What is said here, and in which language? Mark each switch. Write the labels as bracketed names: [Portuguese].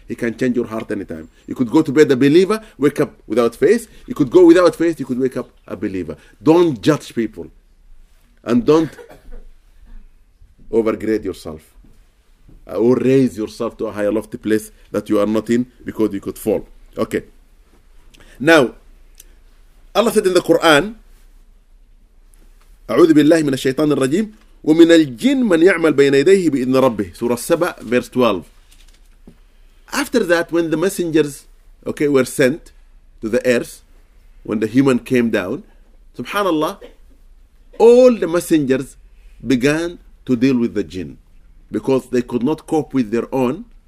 [English] He can change your heart anytime. You could go to bed a believer, wake up without faith. You could go without faith, you could wake up a believer. Don't judge people. And don't overgrade yourself or raise yourself to a higher lofty place that you are not in because you could fall. Okay. Now, Allah said in the Quran, [Arabic] أعوذ بالله من الشيطان الرجيم ومن الجن من يعمل بين يديه بإذن ربه. [English] Surah 7, verse 12. After that, when the messengers, okay, were sent to the earth, when the human came down, subhanAllah, all the messengers began to deal with the jinn because they could not cope with their own.